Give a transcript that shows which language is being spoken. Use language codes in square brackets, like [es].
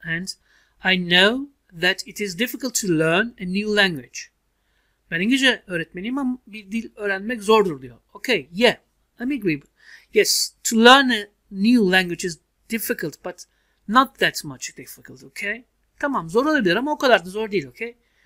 [en] And I know that it is difficult to learn a new language. [tr] Ben İngilizce öğretmeniyim ama bir dil öğrenmek zordur diyor. [en] Okay, yeah, I agree. Yes, to learn a new language is difficult, but not that much difficult, okay? [tr] Tamam, zor olabilir ama o kadar da zor değil, okay?